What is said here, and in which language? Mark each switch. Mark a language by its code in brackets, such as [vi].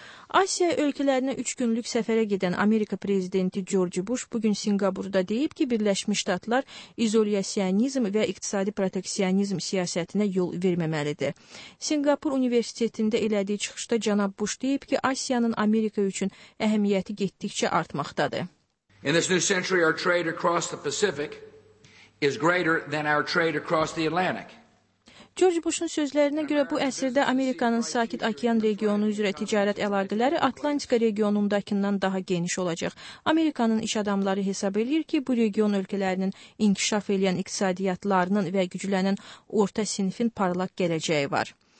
[az] Asiya ölkələrinə 3 günlük səfərə gedən Amerika prezidenti George Bush bugün Singapurda deyib ki, Birləşmiş Ştatlar izolyasiyonizm və iqtisadi proteksiyonizm siyasətinə yol verməməlidir. Singapur Universitetində elədiyi çıxışda cənab Bush deyib ki, Asiyanın Amerika üçün əhəmiyyəti getdikcə artmaqdadır. [en] In this new century, our trade across the Pacific is greater than our trade across the Atlantic. [az] George Bush'un sözlərinə görə bu əsrdə Amerikanın sakit okean regionu üzrə ticarət əlaqələri Atlantika regionundakından daha geniş olacaq. Amerikanın iş adamları hesab edir ki, bu region ölkələrinin inkişaf edən iqtisadiyyatlarının və güclənən orta sinifin parlaq gələcəyi var.